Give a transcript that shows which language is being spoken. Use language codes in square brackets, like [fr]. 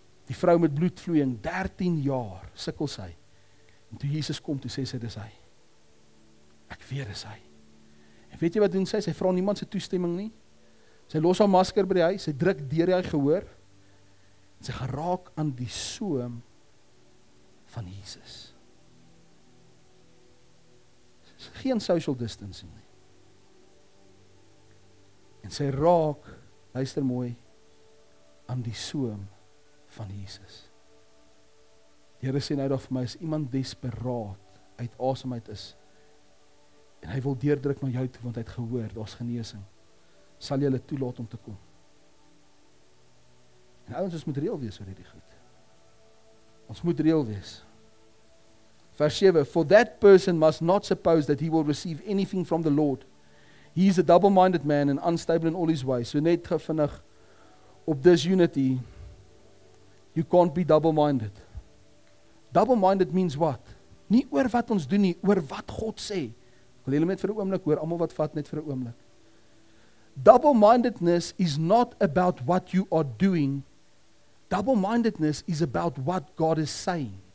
[af] Die vrou met bloedvloeiing, 13 jaar, sukkel sy. En toe Jesus kom, toe sê sy, dis hy. Ek weet, dis hy. Weet jy wat doen sy? Sy vra niemand sy toestemming nie. Sy los haar masker by die huis, sy druk deur haar gehoor, en sy geraak aan die soem van Jesus. Geen social distancing nie. En sy raak, luister mooi, aan die soem van Jesus. Die Here sê nou daar vir my, as iemand desperaat uit asemheid is, en hy wil deurdruk na jou toe, want hy het gehoor, daar is genesing, sal jy hulle toelaat om te kom. En ouwens, ons moet reëel wees oor hierdie goed. Ons moet reëel wees. [en] Vers 7, for that person must not suppose that he will receive anything from the Lord. He is a double-minded man and unstable in all his ways. [af] So net gevinnig op disunity, [en] you can't be double-minded. Double-minded means what? [af] Nie oor wat ons doen nie, oor wat God sê. Wil jy net vir 'n oomblik hoor, almal wat vat net vir 'n oomblik. [en] Double-mindedness is not about what you are doing. Double-mindedness is about what God is saying.